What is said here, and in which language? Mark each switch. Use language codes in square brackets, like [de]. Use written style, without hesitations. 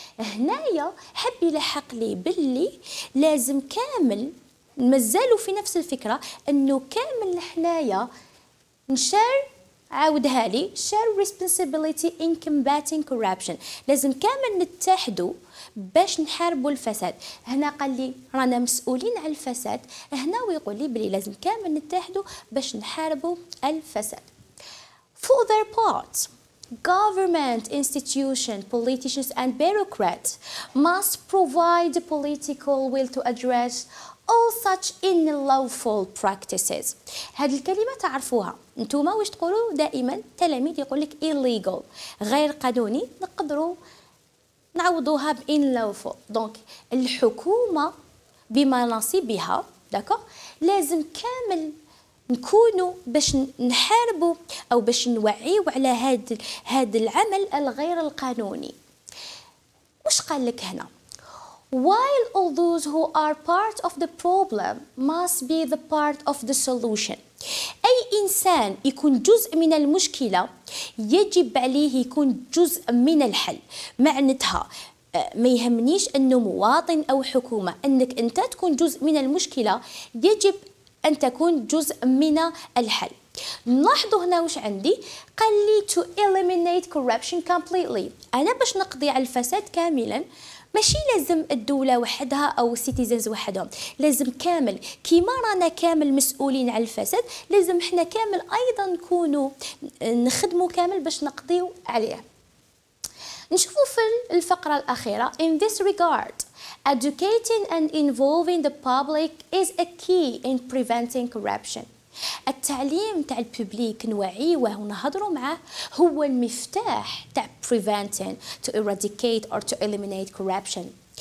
[ar] هنايا حب يلحق لي بلي لازم كامل مازالوا في نفس الفكره، انه كامل حنايا نشار، عاودها لي، [en] share responsibility in combating corruption, [ar] لازم كامل نتحدوا باش نحاربوا الفساد. هنا قال لي رانا مسؤولين على الفساد، هنا ويقول لي بلي لازم كامل نتحدوا باش نحاربوا الفساد. [en] For their part, government institutions, politicians and bureaucrats must provide the political will to address all such unlawful practices. [ar] هذه الكلمة تعرفوها انتوما، واش تقولوا دائما تلاميذ يقول لك illegal، غير قانوني، نقدروا نعوضوها ب unlawful. دونك الحكومة بمناصبها داكوغ لازم كامل نكونوا باش نحاربوا او باش نوعيوا على هذا العمل الغير القانوني. واش قال لك هنا؟ [en] While all those who are part of the problem must be the part of the solution. [ar] اي انسان يكون جزء من المشكله يجب عليه يكون جزء من الحل. معناتها ما يهمنيش انه مواطن او حكومه، انك انت تكون جزء من المشكله يجب أن تكون جزء من الحل. نلاحظوا هنا وش عندي، قال لي [en] to eliminate corruption completely. [ar] أنا باش نقضي على الفساد كاملا ماشي لازم الدولة وحدها أو citizens وحدهم، لازم كامل كيما رانا كامل مسؤولين على الفساد، لازم احنا كامل أيضا نكونوا نخدموا كامل باش نقضيوا عليه. نشوفوا في الفقرة الأخيرة. [en] In this regard, educating and involving the public is a key in preventing corruption. [ar] التعليم تاع الببليك، نوعيوه ونهضروا معاه، هو المفتاح تاع [en] preventing to eradicate or to eliminate corruption.